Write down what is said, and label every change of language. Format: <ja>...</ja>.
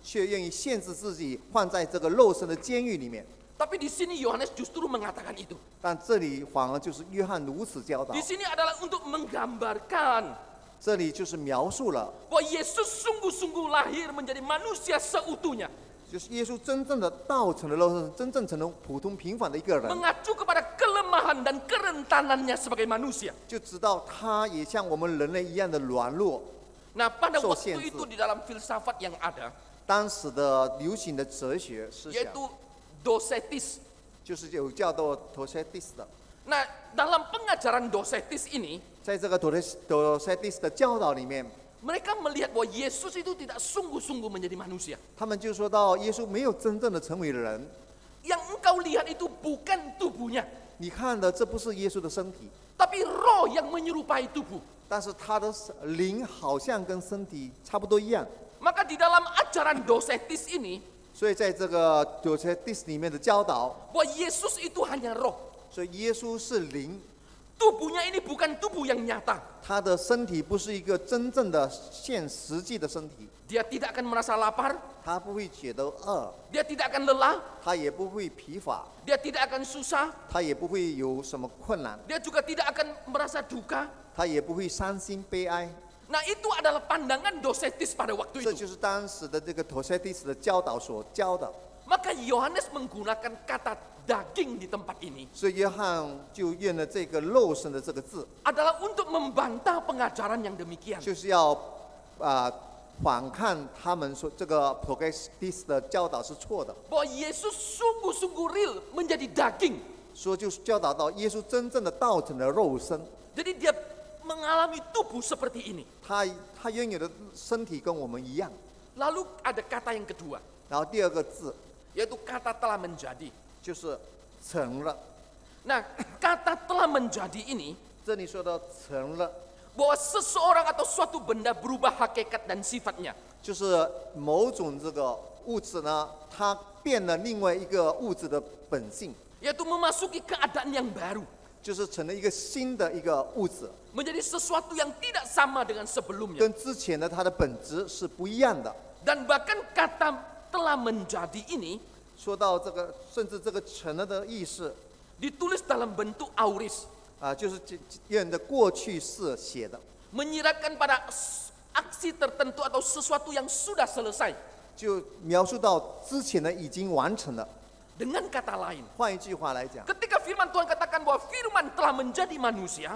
<zh>但如今我们看到那无限的上帝，却愿意限制自己，放在这个肉身的监狱里面。</zh> <id>Tapi di sini Yohanes justru mengatakan itu.</id> <zh>但这里反而就是约翰如此教导。</zh> <id>Di sini adalah untuk menggambarkan.</id> <zh>这里就是描述了。</zh> <id>Bahwa Yesus sungguh-sungguh lahir menjadi manusia seutuhnya.</id> <zh>就是耶稣真正的道成的肉身，真正成了普通平凡的一个人。</zh> <id>Mengacu kepada kelemahan dan kerentanannya sebagai manusia.</id> <zh>就知道他也像我们人类一样的软弱。</zh> <id>Nah pada waktu itu di dalam filsafat yang ada,</id> <zh>当时的流行的哲学思想,</zh> <id>yaitu Docetis,</id> <zh>就是有叫做 Docetis 的。</zh> <id>Nah dalam pengajaran Docetis ini,</id> <zh>在这个 Docetis 的教导里面,</zh> <id>mereka melihat bahwa Yesus itu tidak sungguh-sungguh menjadi manusia.</id> <zh>他们就说到耶稣没有真正的成为人。</zh> <id>Yang engkau lihat itu bukan tubuhnya.</id> <zh>你看的这不是耶稣的身体。</zh> <id>Tapi roh yang menyerupai tubuh.</id> <zh>但是他的灵好像跟身体差不多一样。</zh> <id>Maka di dalam ajaran Docetis ini,</id> <zh>所以在这个 Docetis 里面的教导,</zh> <id>bahwa Yesus itu hanya roh.</id> <zh>所以耶稣是灵。</zh> <id>Tubuhnya ini bukan tubuh yang nyata.</id> <zh>他的身体不是一个真正的现实际的身体。</zh> <id>Dia tidak akan merasa lapar.</id> <zh>他不会觉得饿。</zh> <id>Dia tidak akan lelah.</id> <zh>他也不会疲乏。</zh> <id>Dia tidak akan susah.</id> <zh>他也不会有什么困难。</zh> <id>Dia juga tidak akan merasa duka.</id> <zh>他也不会伤心悲哀。</zh> <id>Nah itu adalah pandangan Docetis pada waktu itu.</id> <zh>这就是当时的这个 Docetis 的教导所教导。</zh> <id>Maka Yohanes menggunakan kata daging di tempat ini.</id> <zh>所以约翰就用了这个肉身的这个字。</zh> <id>Adalah untuk membantah pengajaran yang demikian.</id> <zh>就是要反抗他们说这个 Docetis 的教导是错的。</zh> <id>Bahwa Yesus sungguh-sungguh real menjadi daging.</id> <zh>说就是教导到耶稣真正的道成了肉身。</zh> <id>Jadi dia mengalami tubuh seperti ini.</id> <zh>他拥有的身体跟我们一样。</zh> <id>Lalu ada kata yang kedua.</id> <zh>然后第二个字。</zh> <id>Yaitu kata telah menjadi.</id> <zh>就是成了。</zh> <id>Nah, kata telah menjadi ini.</id> <zh>这里说到成了。</zh> <id>Bahwa seseorang atau suatu benda berubah hakikat dan sifatnya.</id> <zh>就是某种这个物质呢, 它变了另外一个物质的本性。</zh> <id>Yaitu memasuki keadaan yang baru.</id> <zh>就是成了一个新的一个物质。</zh> <id>Menjadi sesuatu yang tidak sama dengan sebelumnya.</id> <zh>跟之前的它的本质是不一样的。</zh> <id>Dan bahkan kata telah menjadi ini,</id> <zh>说到这个, 甚至这个成了的意思,</zh> <id>ditulis dalam bentuk auris.</id> <zh>就是用的过去式写的。</zh> <id>Menyiratkan pada aksi tertentu atau sesuatu yang sudah selesai.</id> <zh>就描述到之前的已经完成了。</zh> <id>Dengan kata lain,</id> <zh>换一句话来讲,</zh> <id>ketika firman Tuhan katakan bahwa firman telah menjadi manusia,</id>